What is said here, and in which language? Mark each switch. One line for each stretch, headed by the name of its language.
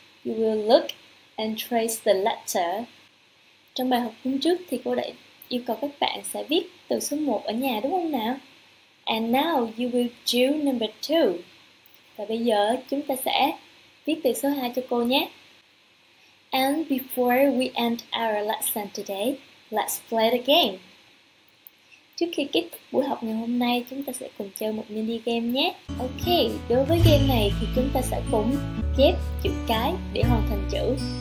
English: You will look and trace the letter.
Vietnamese: Trong bài học hôm trước thì cô đã yêu cầu các bạn sẽ viết từ số 1 ở nhà đúng không nào?
English: And now you will do number 2.
Vietnamese: Và bây giờ chúng ta sẽ viết từ số 2 cho cô nhé.
English: And before we end our lesson today, let's play the game.
Vietnamese: Trước khi kết thúc buổi học ngày hôm nay, chúng ta sẽ cùng chơi một mini game nhé. Ok, đối với game này thì chúng ta sẽ cùng ghép chữ cái để hoàn thành chữ.